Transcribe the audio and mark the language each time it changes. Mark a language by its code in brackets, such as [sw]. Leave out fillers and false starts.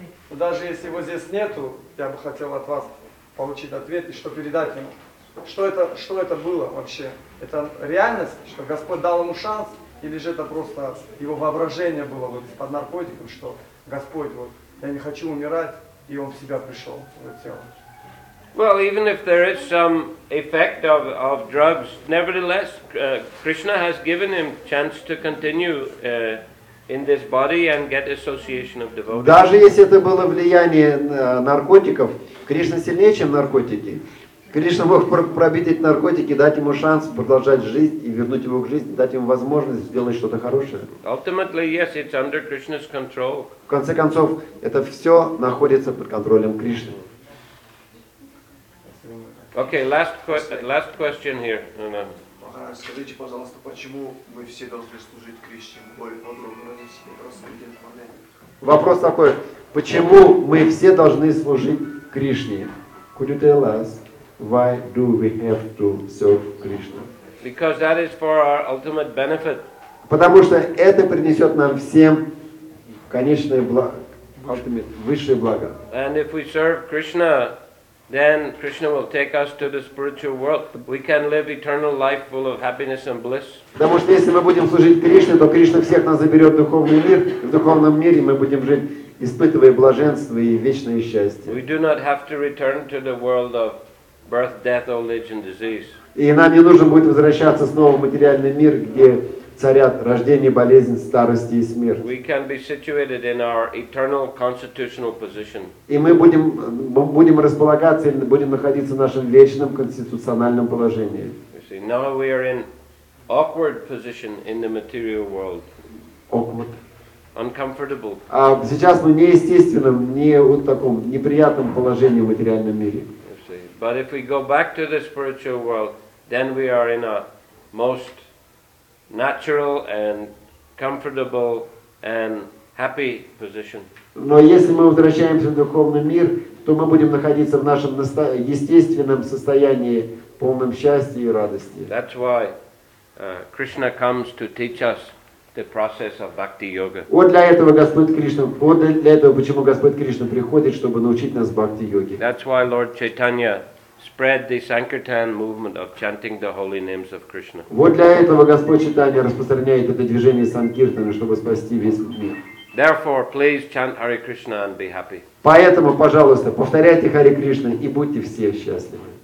[ru] Но даже если его здесь нету, я бы хотел от вас получить ответ и что передать ему. Что это было вообще? Это реальность, что Господь дал ему шанс, или же это просто его воображение было вот под наркотиком, что Господь, вот я не хочу умирать, и он в себя пришел в это тело. [en] Well, even if there is some effect of drugs, nevertheless, Krishna has given him chance to continue in this body and get association of devotees. [ru] Даже если это было влияние наркотиков, Кришна сильнее, чем наркотики. Кришна мог пробить эти наркотики, дать ему шанс продолжать жизнь и вернуть его к жизни, дать ему возможность сделать что-то хорошее. [en] Ultimately, yes, it's under Krishna's control. [ru] В конце концов, это все находится под контролем Кришны. [en] Okay, last question here. [ru] Скажите, пожалуйста, почему мы все должны служить Кришне? Более подробно, просто вопрос такой: почему мы все должны служить Кришне? [en] Could you tell us? Why do we have to serve Krishna? Because that is for our ultimate benefit. [ru] Потому что это принесет нам всем конечное благо, [en] ultimate, [ru] высшее благо. [en] And if we serve Krishna, then Krishna will take us to the spiritual world. We can live eternal life full of happiness and bliss. [ru] Потому что если мы будем служить Кришне, то Кришна всех нас заберет в духовный мир. В духовном мире мы будем жить, испытывая блаженство и вечное счастье. [en] We do not have to return to the world of birth, death, old age, and disease. [ru] И нам не нужно будет возвращаться снова в материальный мир, где царят рождение, болезнь, старость и смерть. [en] We can be situated in our eternal constitutional position. [ru] И мы будем располагаться, или будем находиться в нашем вечном конституциональном положении. [en] You see, now we are in awkward position in the material world. Awkward. Uncomfortable. [ru] А сейчас мы неестественном, не вот таком неприятном положении в материальном мире. [en] You see, but if we go back to the spiritual world, then we are in a most natural and comfortable and happy position. [ru] Но если мы возвращаемся в духовный мир, то мы будем находиться в нашем естественном состоянии, полном счастья и радости. [en] That's why Krishna comes to teach us the process of bhakti yoga. [ru] Вот для этого Господь Кришна, вот для этого почему Господь Кришна приходит, чтобы научить нас бхакти йоге. [en] That's why Lord Chaitanya spread the Sankirtan movement of chanting the holy names of Krishna. [ru] Вот для этого Господь Читания распространяет это движение Санкиртана, чтобы спасти весь мир. [en] Therefore, please chant Hare Krishna and be happy. [ru] Поэтому, пожалуйста, повторяйте Hare Krishna и будьте все счастливы.